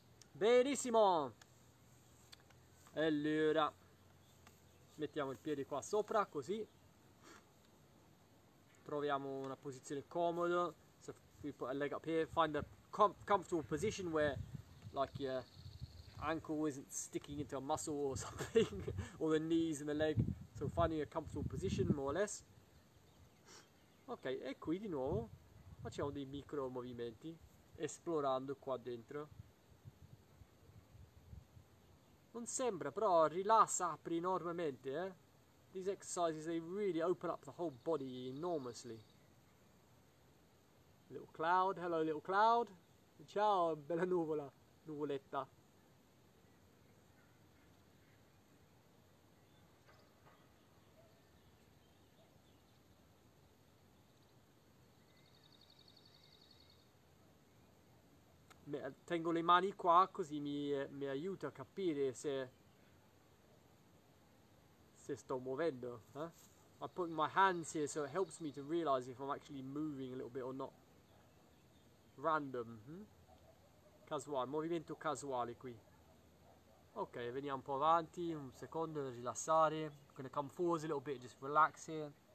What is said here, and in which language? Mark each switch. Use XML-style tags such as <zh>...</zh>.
<it>Benissimo. Allora, mettiamo il piede qua sopra, così troviamo una posizione comoda.</it> <en>So if we put a leg up here, find a comfortable position where like your ankle isn't sticking into a muscle or something, or the knees and the leg. So finding a comfortable position more or less.</en> <it>Ok, e qui di nuovo facciamo dei micro movimenti esplorando qua dentro. Non sembra, però rilassa, apri enormemente, eh?</it> <en>These exercises, they really open up the whole body enormously. Little cloud, hello little cloud.</en> <it>Ciao, bella nuvola, nuvoletta. Tengo le mani qua così mi aiuta a capire se sto muovendo. Eh?</it> <en>I put my hands here so it helps me to realize if I'm actually moving a little bit or not. Random.</en> <it>Casuale, movimento casuale qui. Ok, veniamo un po' avanti, un secondo, rilassare.</it> <en>Gonna come forward a little bit, just relax here.</en>